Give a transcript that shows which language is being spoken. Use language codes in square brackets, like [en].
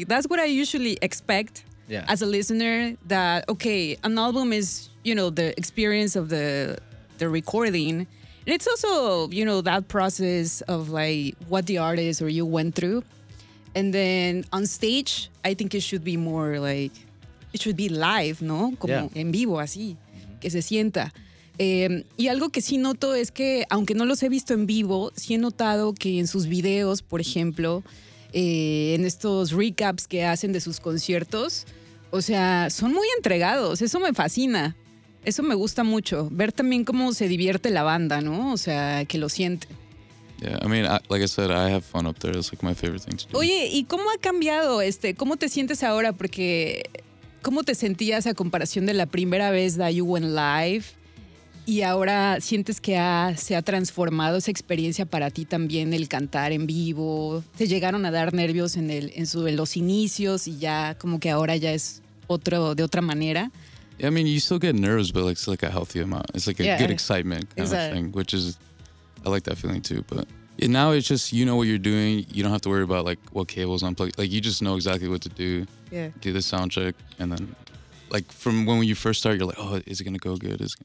[en] Yeah. That's what I usually expect as a listener, that, okay, an album is, you know, the experience of the recording. And it's also, you know, that process of like what the artist or you went through. And then on stage, I think it should be more like, it should be live, [es] ¿no? Como en vivo, así, que se sienta. Y algo que sí noto es que, aunque no los he visto en vivo, sí he notado que en sus videos, por ejemplo, en estos recaps que hacen de sus conciertos, o sea, son muy entregados. Eso me fascina. Eso me gusta mucho. Ver también cómo se divierte la banda, ¿no? O sea, que lo siente. [en] Yeah, I mean, like I said, I have fun up there. It's like my favorite thing to do. [es] Oye, ¿y cómo ha cambiado ¿Cómo te sientes ahora? Porque, ¿cómo te sentías a comparación de la primera vez [en] that you went live? [es] ¿Y ahora sientes que se ha transformado esa experiencia para ti también, el cantar en vivo? ¿Te llegaron a dar nervios en los inicios y ya como que ahora ya es otro, de otra manera? [en] Yeah, I mean, you still get nerves, but like, it's like a healthy amount. It's like a good excitement kind of thing, which is, I like that feeling too. But now it's just, you know what you're doing. You don't have to worry about like what cables unplugged. Like, you just know exactly what to do. Yeah. Do the sound check. And then like from when you first start, you're like, oh, is it going to go good?